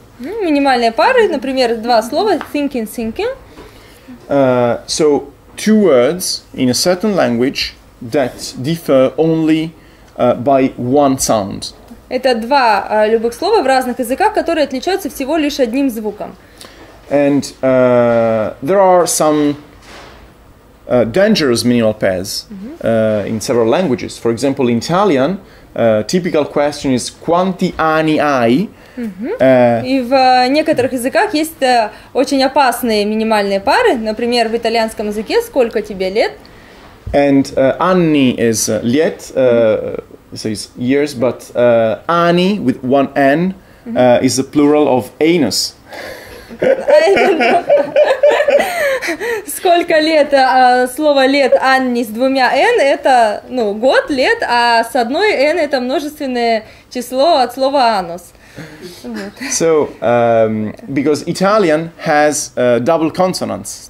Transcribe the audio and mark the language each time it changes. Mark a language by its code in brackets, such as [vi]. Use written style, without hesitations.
[ru] Минимальные пары, например, два слова, [en] thinking, sinking. So, two words in a certain language that differ only by one sound. [ru] Это два любых слова в разных языках, которые отличаются всего лишь одним звуком. [en] And there are some dangerous minimal pairs in several languages. For example, in Italian, typical question is [it] quanti anni hai? [ru] И в некоторых языках есть очень опасные минимальные пары, например, в итальянском языке сколько тебе лет? [en] And anni is лет, so it's years, but anni with one n is the plural of anus. [ru] сколько лет, слово лет Анни с двумя N, это, ну, год, лет, а с одной N это множественное число от слова anus. [en] So, because Italian has double consonants.